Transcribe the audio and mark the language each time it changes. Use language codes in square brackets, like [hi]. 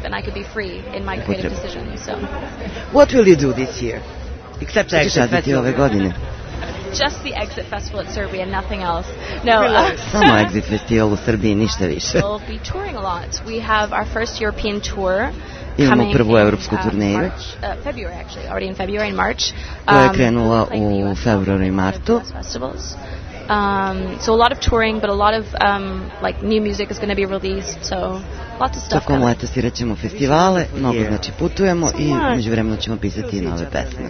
[sr] upotrebe. [en] What will you do this year? Except the Exit Festival. [sr] Ove godine? [en] Just the Exit Festival at Serbia, nothing else. No. [sr] Samo Exit Festival u Srbiji, ništa više. [en] We'll be touring a lot. We have our first European tour. [sr] Imamo prvu evropsku turneju. [en] February actually, already in February and March. [sr] Koja je krenula u februaru i martu. [en] So a lot of touring, but a lot of like new music is going to be released. So [sr] Tako kom leto sviraćemo festivale, mnogo znači putujemo i međuvremeno ćemo pisati i nove pesme.